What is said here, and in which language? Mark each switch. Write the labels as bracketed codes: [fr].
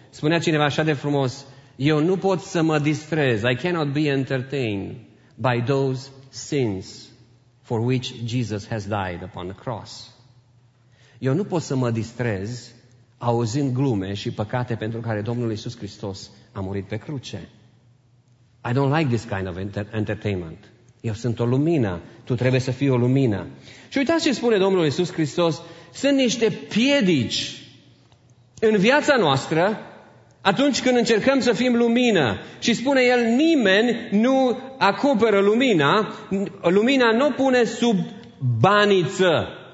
[ro] Spunea cineva așa de frumos, eu nu pot să mă distrez, [en] I cannot be entertained by those sins for which Jesus has died upon the cross. [ro] Eu nu pot să mă distrez auzind glume și păcate pentru care Domnul Iisus Hristos a murit pe cruce. [en] I don't like this kind of entertainment. [ro] Eu sunt o lumină, tu trebuie să fii o lumină. Și uitați ce spune Domnul Iisus Hristos, sunt niște piedici în viața noastră atunci când încercăm să fim lumină. Și spune El, nimeni nu acoperă lumina, lumina nu pune sub baniță.